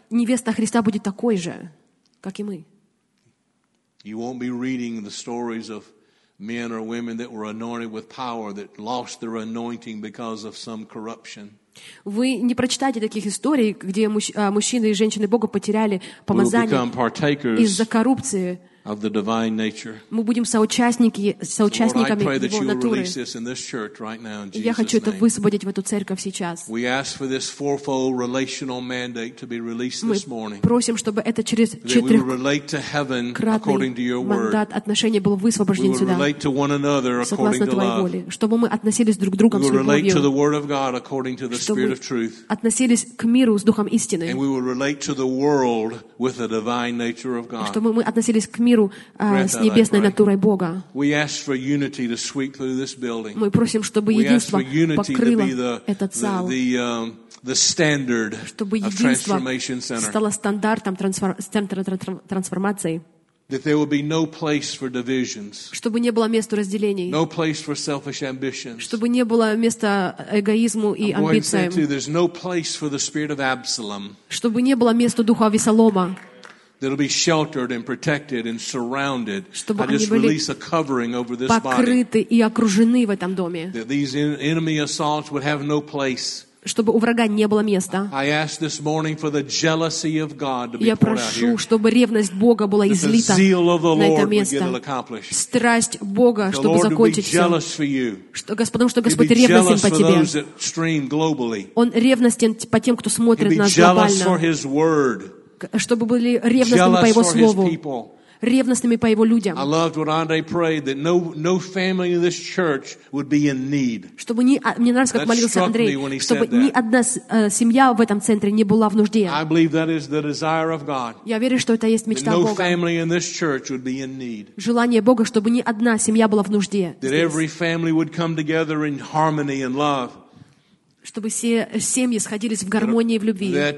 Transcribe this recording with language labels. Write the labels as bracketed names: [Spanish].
[Russian] Невеста Христа будет такой же, как и мы. [English] You won't be reading the stories of men or women that were anointed with power that lost their anointing because of some corruption. [Russian] Вы не прочитаете таких историй, где мужчины и женщины Бога потеряли помазание из-за коррупции. [English] Of the divine nature. [Russian] Мы будем соучастниками Его натуры. Я хочу это высвободить в эту церковь сейчас. [English] We ask for this fourfold relational mandate to be released this morning. [Russian] Мы просим, чтобы это через четырехкратный мандат отношения был высвобожден сюда. Согласно Твоей воле. Чтобы мы относились друг к другу с любовью. Чтобы мы относились к миру с Духом истины. [English] And we will relate to the world with the divine nature of God. [Russian] Чтобы мы относились к миру с небесной натурой Бога. [English] We ask for unity to sweep through this building. [Russian] Мы просим, чтобы единство покрыло этот зал. [English] The standard of transformation center. [Russian] Стало стандартом центра трансформации. [English] That there will be no place for divisions. [Russian] Чтобы не было места разделений. [English] No place for selfish ambitions. [Russian] Чтобы не было места эгоизму и амбициям. [English] There's no place for the spirit of Absalom. [Russian] Чтобы не было места духа Авессалома. [English] That'll be sheltered and protected and surrounded. I just release a covering over this body. [Russian] Покрыты и окружены в этом доме. [English] That these enemy assaults would have no place. [Russian] Чтобы у врага не было места. [English] I ask this morning for the jealousy of God to be poured out here. [Russian] Я прошу, чтобы ревность Бога была излита на это место. [English] The zeal of the Lord would get it accomplished. [Russian] Страсть Бога, чтобы закончить все. [English] The Lord would be jealous for you. [Russian] Господь ревностен по тебе. [English] He'd be jealous for those that stream globally. [Russian] Он ревностен по тем, кто смотрит нас глобально. [English] He'd be jealous for His word. [Russian] Чтобы были ревностными по Его Слову, ревностными по Его людям. [English] I loved what Andre prayed, that no family in this church would be in need. [Russian] Чтобы ни, мне нравится, как молился Андрей, чтобы ни одна семья в этом центре не была в нужде. [English] I believe that is the desire of God. [Russian] Я верю, что это есть мечта Бога. [English] No family in this church would be in need. [Russian] Желание Бога, чтобы ни одна семья была в нужде. [English] That every family would come together in harmony and love. [Russian] Чтобы все семьи сходились в гармонии и в любви.